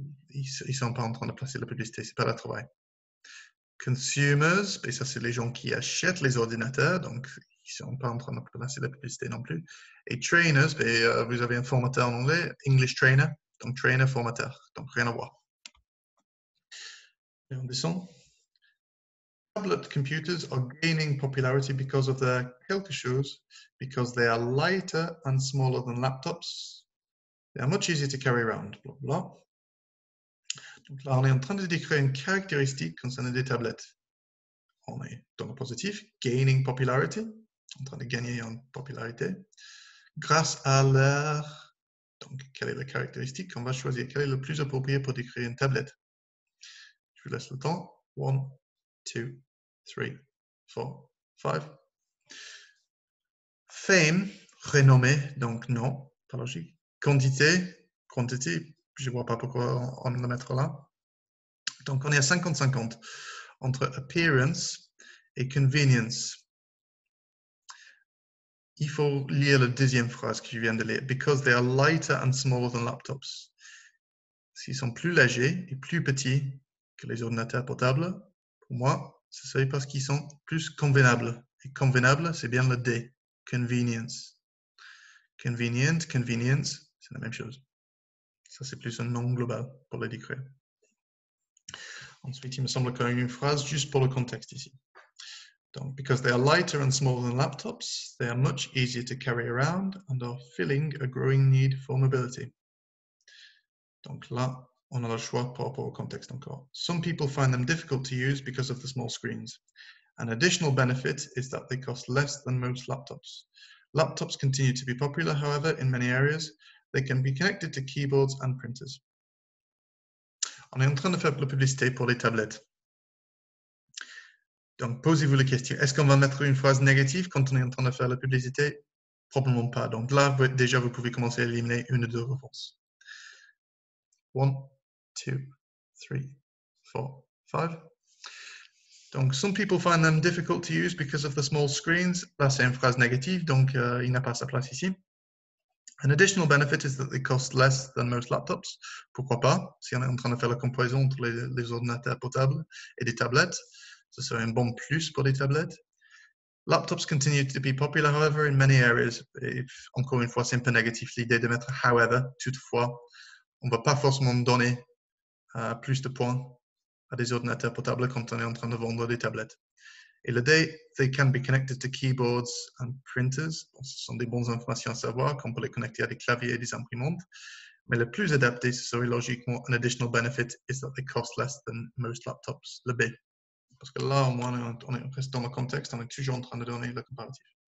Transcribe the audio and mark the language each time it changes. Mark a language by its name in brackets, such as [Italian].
[French] Ils ne sont pas en train de placer la publicité, ce n'est pas leur travail. Consumers, et ça c'est les gens qui achètent les ordinateurs, donc ils ne sont pas en train de placer la publicité non plus. Et trainers, et vous avez un formateur en anglais, English trainer, donc trainer, formateur, donc rien à voir. Et on descend. [English] Tablet computers are gaining popularity because of their [French] quelque chose, [English] because they are lighter and smaller than laptops. They are much easier to carry around, blah, blah. [French] Donc là, on est en train de décrire une caractéristique concernant des tablettes. On est dans le positif, [English] gaining popularity, [French] en train de gagner en popularité, grâce à leur... Donc, quelle est la caractéristique qu'on va choisir? Quelle est le plus approprié pour décrire une tablette? Je vous laisse le temps. 1, 2, 3, 4, 5. Fame, renommée, donc non, pas logique. Quantité, quantité. Je ne vois pas pourquoi on le mettre là. Donc, on est à 50-50 entre appearance et convenience. Il faut lire la deuxième phrase que je viens de lire. [English] Because they are lighter and smaller than laptops. [French] S'ils sont plus légers et plus petits que les ordinateurs portables, pour moi, ce serait parce qu'ils sont plus convenables. Et convenable, c'est bien le D. Convenience. Convenient, convenience, c'est la même chose. Ça, c'est plus un nom global pour le décrire. Ensuite, il me semble qu'il y a une phrase juste pour le contexte ici. [English] Donc, because they are lighter and smaller than laptops, they are much easier to carry around and are filling a growing need for mobility. [French] Donc là, on a le choix par rapport au contexte encore. [English] Some people find them difficult to use because of the small screens. An additional benefit is that they cost less than most laptops. Laptops continue to be popular, however, in many areas. They can be connected to keyboards and printers. [French] On est en train de faire de la publicité pour les tablettes. Donc, posez-vous la question. Est-ce qu'on va mettre une phrase négative quand on est en train de faire la publicité? Probablement pas. Donc là, déjà, vous pouvez commencer à éliminer une ou deux réponses. 1, 2, 3, 4, 5. [English] Donc, some people find them difficult to use because of the small screens. [French] Là, c'est une phrase négative, donc il n'a pas sa place ici. [English] An additional benefit is that they cost less than most laptops. [French] Pourquoi pas? Si on est en train de faire la comparaison entre les ordinateurs portables et les tablettes, ce serait un bon plus pour les tablettes. [English] Laptops continue to be popular, however, in many areas. [French] Et encore une fois, c'est un peu négatif l'idée de mettre however, toutefois. On ne va pas forcément donner plus de points à des ordinateurs portables quand on est en train de vendre des tablettes. Et le D, [English] they can be connected to keyboards and printers. [French] Bon, ce sont des bonnes informations à savoir, qu'on peut les connecter à des claviers et des imprimantes. Mais le plus adapté, ce serait logiquement [English] an additional benefit, is that they cost less than most laptops. [French] Le B. Parce que là, au moins, on reste dans le contexte, on est toujours en train de donner le comparatif.